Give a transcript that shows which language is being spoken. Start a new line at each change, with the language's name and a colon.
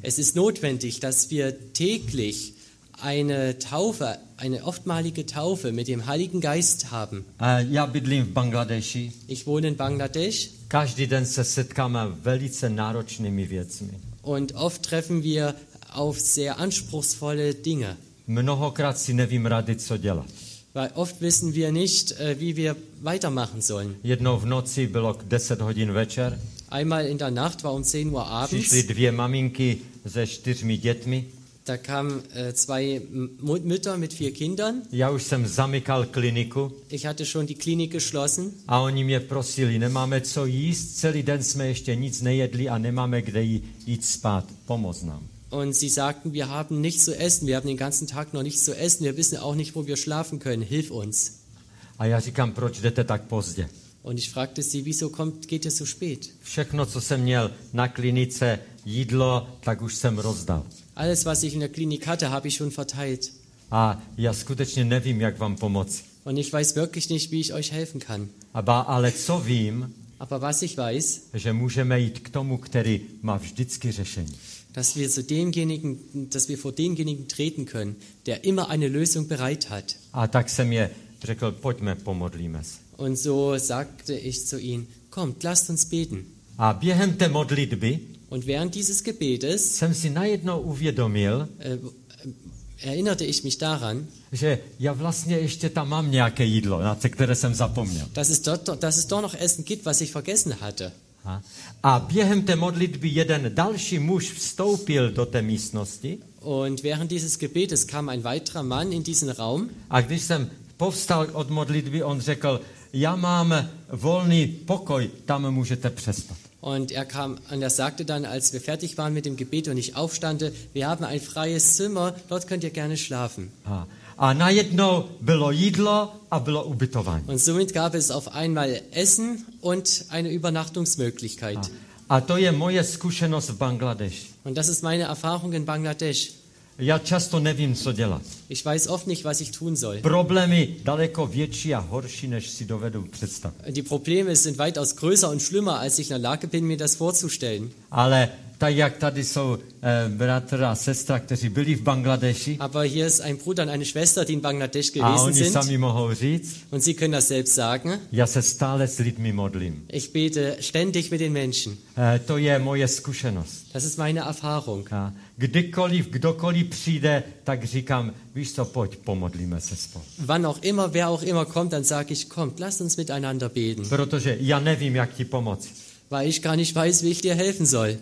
German: Es ist notwendig, dass wir täglich eine Taufe, eine oftmalige Taufe mit dem Heiligen Geist haben.
Czech: Já bydlím v Bangladeši.
German: Ich wohne in Bangladesch.
Czech: Každý den se setkáme velice náročnými věcmi.
German: Und oft treffen wir auf sehr anspruchsvolle Dinge.
Czech: Mnohokrát si nevím rady, co dělat.
German: Weil oft wissen wir nicht, wie wir weitermachen sollen.
Czech: Jednou v noci bylo 10 hodin večer.
German: Einmal in der Nacht war um 10 Uhr abends.
Czech: Přišly dvě maminky se 4 dětmi.
German: Da kamen zwei Mütter mit 4 Kindern.
Czech: Já už jsem zamykal kliniku.
German: Ich hatte schon die Klinik geschlossen.
Czech: A oni mě prosili, nemáme co jíst, celý den jsme ještě nic nejedli a nemáme kde jít spát. Pomoz nám.
German: Und sie sagten, wir haben nichts zu essen, wir haben den ganzen Tag noch nichts zu essen, wir wissen auch nicht, wo wir schlafen können, hilf uns.
Czech: A já říkám, proč jdete tak pozdě?
German: Und ich fragte sie, wieso geht ihr so spät?
Czech: Všechno, co jsem měl na klinice, jídlo, tak už jsem rozdal.
German: Alles, was ich in der Klinik hatte, habe ich schon verteilt.
Czech: A já skutečně nevím, jak vám pomoci.
German: Und ich weiß wirklich nicht, wie ich euch helfen kann.
Czech: Ale co vím,
German: aber was ich weiß,
Czech: že můžeme jít k tomu, který má vždycky řešení.
German: Dass wir zu demjenigen, dass wir vor demjenigen treten können, der immer eine Lösung bereit hat.
Czech: A tak jsem je řekl, pojďme, pomodlíme se.
German: Und so sagte ich zu ihnen, kommt, lasst uns beten.
Czech: A během té modlitby,
German: und während dieses Gebetes,
Czech: jsem si najednou uvědomil,
German: erinnerte ich mich daran,
Czech: že já vlastně ještě tam mám nějaké jídlo, na které jsem zapomněl.
German: Dass es doch noch Essen gibt, was ich vergessen hatte.
Czech: A během té modlitby jeden další muž vstoupil do té místnosti.
German: Und während dieses Gebetes kam ein weiterer Mann in diesen Raum.
Czech: A když jsem povstal od modlitby, on řekl, já mám volný pokoj, tam můžete přespat.
German: Und er sagte dann, als wir fertig waren mit dem Gebet und ich aufstande, wir haben ein freies Zimmer, dort könnt ihr gerne schlafen.
Czech: A najednou bylo jídlo a bylo ubytování.
German: Und somit gab es auf einmal Essen und eine Übernachtungsmöglichkeit.
Czech: A to je moje zkušenost v Bangladeši.
German: Und das ist meine Erfahrung in Bangladesch.
Czech: Já často nevím, co dělat.
German: Ich weiß oft nicht, was ich tun soll.
Czech: Problémy daleko větší a horší, než si dovedu představit.
German: Die Probleme sind weitaus größer und schlimmer, als ich in der Lage bin, mir das vorzustellen.
Czech: Ale tak, jak tady jsou bratr a sestra, kteří byli v Bangladeši.
German: Aber hier ist ein Bruder und eine Schwester, die in Bangladesch gewesen sind.
Czech: A oni
German: sind,
Czech: sami mohou říct.
German: Und sie können das selbst sagen.
Czech: Já se stále s lidmi modlím.
German: Ich bete ständig mit den Menschen.
Czech: To je moje zkušenost.
German: Das ist meine Erfahrung.
Czech: A kdykoliv, kdokoliv přijde, tak říkám, víš co, pojď, pomodlíme se spolu.
German: Wann auch immer, wer auch immer kommt, dann sage ich, kommt, lass uns miteinander beten.
Czech: Protože já nevím, jak ti pomoci.
German: Weil ich gar nicht weiß, wie ich dir helfen soll.